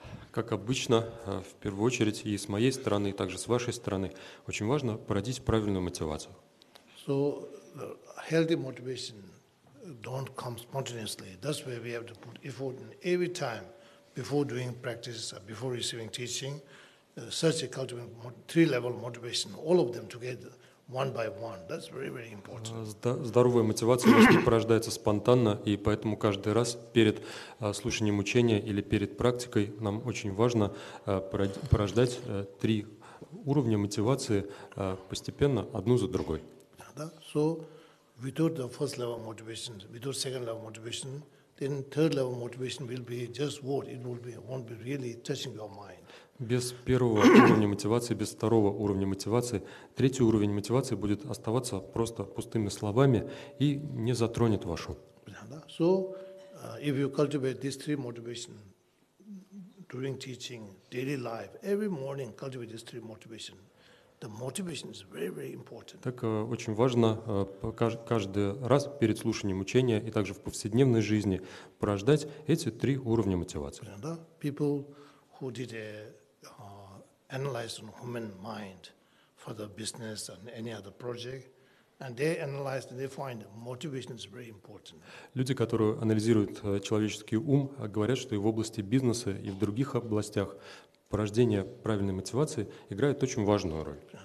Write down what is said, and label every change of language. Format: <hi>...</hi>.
<ru>Как обычно, в первую очередь, и с моей стороны, и также с вашей стороны, очень важно породить правильную мотивацию.</ru> <en>So, healthy motivation don't come spontaneously. That's where we have to put effort in every time before doing practice, before receiving teaching. Such a cultivating three-level motivation, all of them together, one by one. That's very, very important.</en> <ru>Здоровая мотивация у нас не порождается спонтанно, и поэтому каждый раз перед слушанием учения или перед практикой нам очень важно порождать три уровня мотивации постепенно, одну за другой.</ru> <en>So, without the first level motivation, without second level motivation, then third level motivation will be just what it will be. Won't be really touching your mind.</en> <ru>Без первого уровня мотивации, без второго уровня мотивации, третий уровень мотивации будет оставаться просто пустыми словами и не затронет вашу.</ru> <en>So, if you cultivate these three motivations during teaching, daily life, every morning, cultivate these three motivations. The motivation is very, very important.</en> <ru>Так очень важно каждый раз перед слушанием учения и также в повседневной жизни порождать эти три уровня мотивации.</ru> <en>People who did a analyze on human mind for the business and any other project, and they analyzed and they find motivation is very important.</en> <ru>Люди, которые анализируют человеческий ум, говорят, что и в области бизнеса, и в других областях порождение правильной мотивации играет очень важную роль.</ru>